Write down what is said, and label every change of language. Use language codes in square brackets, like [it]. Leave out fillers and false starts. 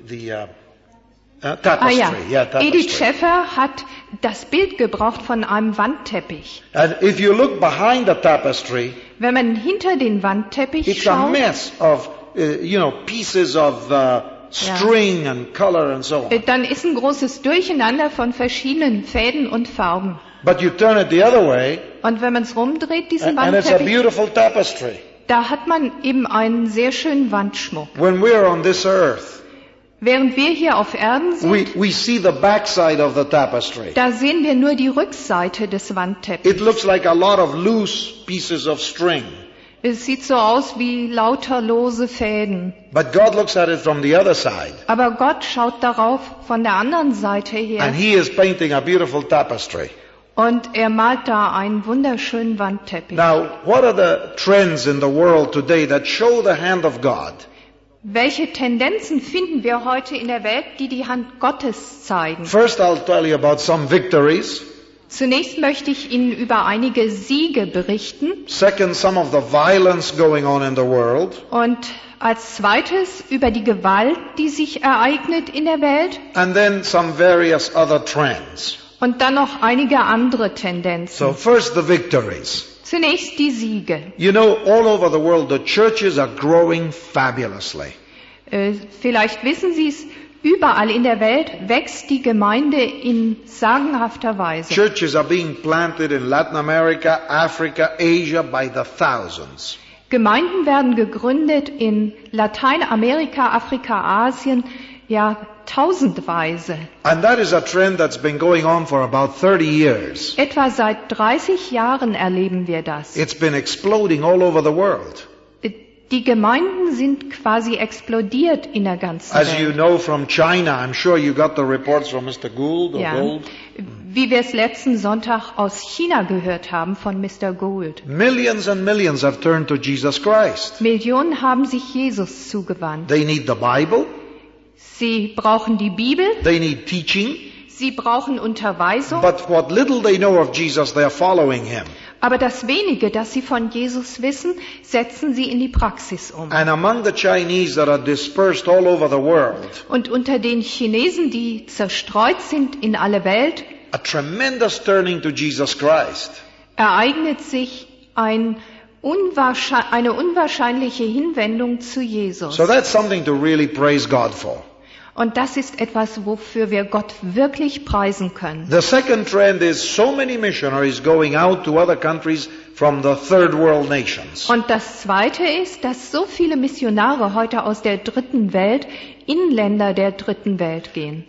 [en] Tapestry. [de] Ah, ja. [en] Yeah, tapestry. [de] Edith Schaefer hat das Bild gebraucht von einem Wandteppich. [en] And if you look behind the tapestry, [de] wenn man hinter den Wandteppich [en] it's [de] schaut, [en] it's a mess of pieces of string and color and so on. [de] Dann ist ein großes Durcheinander von verschiedenen Fäden und Farben. [en] But you turn it the other way, [de] und wenn man es rumdreht, diesen Wandteppich, [en] and it's a beautiful tapestry. [de] Da hat man eben einen sehr schönen Wandschmuck. [en] When we are on this earth, [de] während wir hier auf Erden sind, [en] we see the backside of the tapestry. [de] Da sehen wir nur die Rückseite des Wandteppichs. [en] It looks like a lot of loose pieces of string. [de] Es sieht so aus wie lauter lose Fäden. [en] But God looks at it from the other side. [de] Aber Gott schaut darauf von der anderen Seite her. [en] And he is painting a beautiful tapestry. [de] Und er malt da einen wunderschönen Wandteppich. [en] Now, what are the trends in the world today that show the hand of God? [de] Welche Tendenzen finden wir heute in der Welt, die Hand Gottes zeigen? [en] First, I'll tell you about some victories. [de] Zunächst möchte ich Ihnen über einige Siege berichten. [en] Second, some of the violence going on in the world. [de] Und als zweites über die Gewalt, die sich ereignet in der Welt. [en] And then some various other trends. [de] Und dann noch einige andere Tendenzen. [en] So first the victories. [de] Zunächst die Siege. [en] You know, all over the world, the churches are growing fabulously. [de] Vielleicht wissen Sie es, überall in der Welt wächst die Gemeinde in sagenhafter Weise. [en] Churches are being planted in Latin America, Africa, Asia by the thousands. [de] Gemeinden werden gegründet in Lateinamerika, Afrika, Asien, ja, tausendweise. [en] And that is a trend that's been going on for about 30 years. [de] Etwa seit 30 Jahren erleben wir das. [en] It's been exploding all over the world. [de] Die Gemeinden sind quasi explodiert in der ganzen Welt. [en] As you know from China, I'm sure you got the reports from Mr. Gould. [de] Ja. Wie wir es letzten Sonntag aus China gehört haben von Mr. Gould. [en] Millions and millions have turned to Jesus Christ. [de] Millionen haben sich Jesus zugewandt. [en] They need the Bible. [de] Sie brauchen die Bibel. [en] They need teaching. [de] Sie brauchen Unterweisung. [en] But what little they know of Jesus, they are following him. [de] Aber das Wenige, das sie von Jesus wissen, setzen sie in die Praxis um. [en] And among the Chinese that are dispersed all over the world, [de] und unter den Chinesen, die zerstreut sind in alle Welt, [en] a tremendous turning to Jesus Christ. [de] Ereignet sich ein eine unwahrscheinliche Hinwendung zu Jesus. [en] So that's something to really praise God for. [de] Und das ist etwas, wofür wir Gott wirklich preisen können. [en] The second trend is so many missionaries going out to other countries from the third world nations. [de] Und das zweite ist, dass so viele Missionare heute aus der dritten Welt in Länder der dritten Welt gehen.